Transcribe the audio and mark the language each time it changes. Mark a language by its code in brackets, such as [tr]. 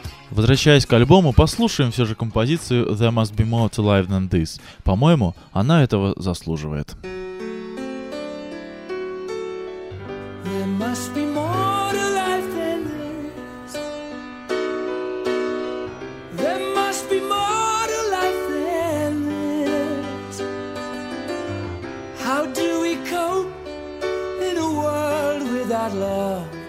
[ru] Возвращаясь к альбому, послушаем все же композицию «There must be more to life than this». По-моему, она этого заслуживает. [en] There must be more to life than this. There must be more to life than this. How do we cope in a world without love?